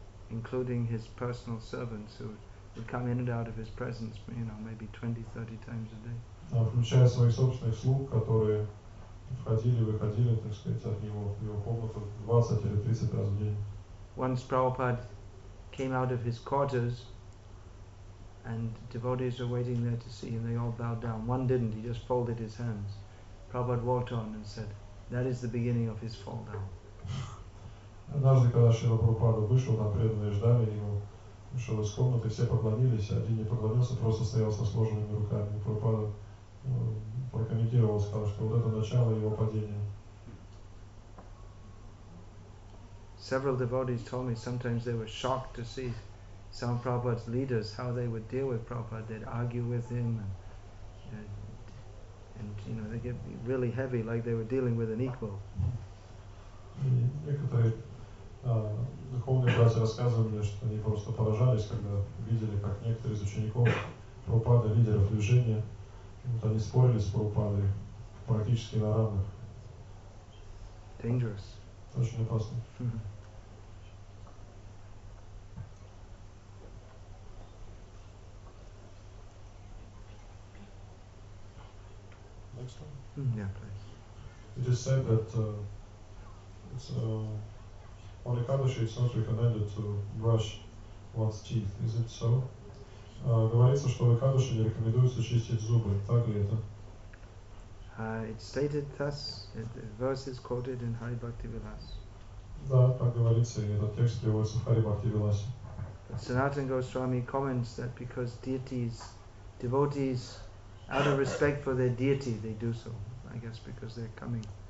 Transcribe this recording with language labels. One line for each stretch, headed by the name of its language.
English: Including his personal servants who would come in and out of his presence, you know, maybe 20-30 times a day.
Russian: Включая своих собственных слуг, которые входили, выходили, так сказать, от него в его комнату 20 или 30 раз в день.
English: Once Prabhupada came out of his quarters and devotees were waiting there to see and they all bowed down. One didn't, he just folded his hands. Prabhupada walked on and said, that is the beginning of his fall down.
Russian: Однажды, когда Шрила Прабхупада вышел, там преданные ждали его, вышел из комнаты, все поклонились, один не поклонился, просто стоял со сложенными руками. Прабхупада прокомментировал, сказал, что вот это начало его падения.
English: Several devotees told me sometimes they were shocked to see some Prabhupada's leaders, how they would deal with Prabhupada. They'd argue with him and you know, they'd get really heavy, like they were dealing with an equal.
Russian: Некоторые духовные братья рассказывали мне, что они просто поражались, когда видели, как некоторые из учеников Прабхупады, лидеров движения, вот они спорили с Прабхупадой практически на равных.
English: Dangerous.
Russian: Очень опасно.
English: Yeah, please. It is said that on Ekadashi it's not recommended to brush one's teeth. Is it so?
Russian: Говорится, что в Экадаши не рекомендуется чистить зубы. Так ли это?
English: It's stated thus, the verse is quoted in Hari Bhakti Vilas.
Russian: Да, так говорится, и этот текст приводится в Hari Bhakti Vilas.
English: Sanatana Goswami comments that because devotees, out of respect for their deity, they do so. I guess because they're coming